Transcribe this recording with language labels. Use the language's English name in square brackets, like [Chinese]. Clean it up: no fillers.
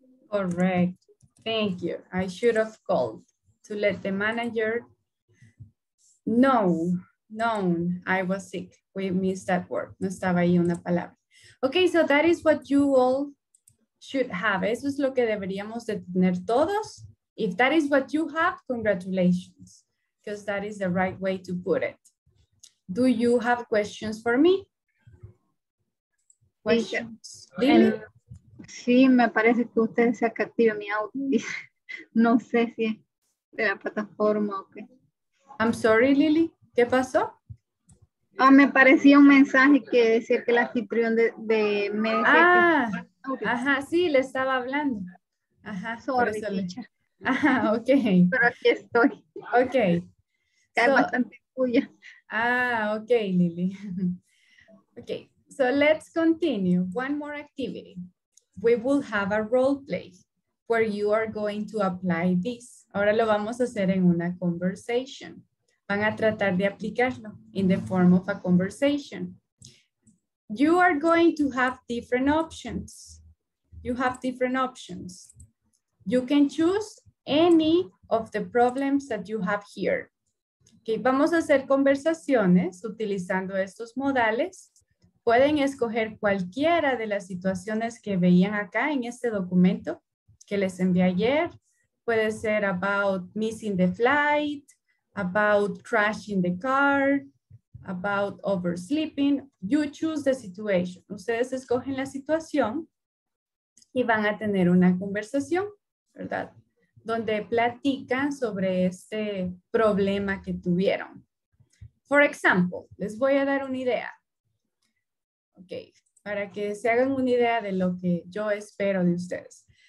[English] Correct. Thank you. I should have called to let the manager know I was sick. We missed that word. [Spanish] No estaba ahí una palabra. [English] Okay, so that is what you all should have. [Spanish] Eso es lo que deberíamos de tener todos. [English] If that is what you have, congratulations, because that is the right way to put it. Do you have questions for me? Questions? [Spanish] Sí, me parece que usted se activó mi audio. No sé si es de la plataforma o qué. [English] I'm sorry, Lily. [Spanish] ¿Qué pasó? Ah, me parecía un mensaje que decía que la anfitrión de me decía ah, que... ajá, sí, le estaba hablando. Ajá, sorry, le... ajá, ok. Pero aquí estoy. Ok. Cae bastante tuya. [English] Ah, ok, Lily. Ok, so let's continue. One more activity. We will have a role play where you are going to apply this. [Spanish] Ahora lo vamos a hacer en una conversation. Van a tratar de aplicarlo [English] in the form of a conversation. You are going to have different options. You have different options. You can choose any of the problems that you have here. [Spanish] Okay, vamos a hacer conversaciones utilizando estos modales. Pueden escoger cualquiera de las situaciones que veían acá en este documento que les envié ayer. Puede ser [English] about missing the flight, about crashing the car, about oversleeping. You choose the situation. [Spanish] Ustedes escogen la situación y van a tener una conversación, ¿verdad? Donde platican sobre este problema que tuvieron. [English] For example, [Spanish] les voy a dar una idea. Ok, para que se hagan una idea de lo que yo espero de ustedes.